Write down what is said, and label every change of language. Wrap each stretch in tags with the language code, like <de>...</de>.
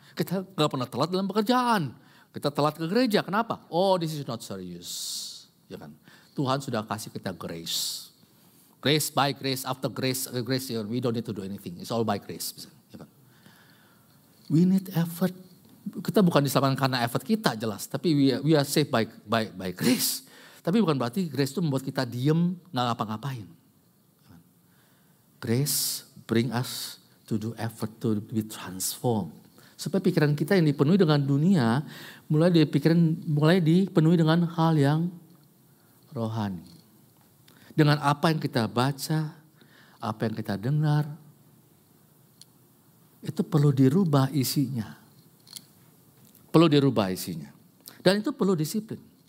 <id>Kita gak pernah telat dalam pekerjaan. Kita telat ke gereja, kenapa?</id> <en>Oh, this is not serious.</en> <id>Ya kan? Tuhan sudah kasih kita grace.</id> <en>Grace by grace, after grace, grace you know, we don't need to do anything. It's all by grace.</en> <id>Ya kan?</id> <en>We need effort.</en> <id>Kita bukan diselamatkan karena effort kita, jelas. Tapi</id> <en>we are saved by grace.</en> <id>Tapi bukan berarti grace itu membuat kita diem, gak ngapa-ngapain. Ya kan?</id> <en>Grace bring us to do effort, to be transformed.</en> <id>Supaya pikiran kita yang dipenuhi dengan dunia mulai dipenuhi dengan hal yang rohani. Dengan apa yang kita baca, apa yang kita dengar, itu perlu dirubah isinya. Perlu dirubah isinya. Dan itu perlu disiplin.</id>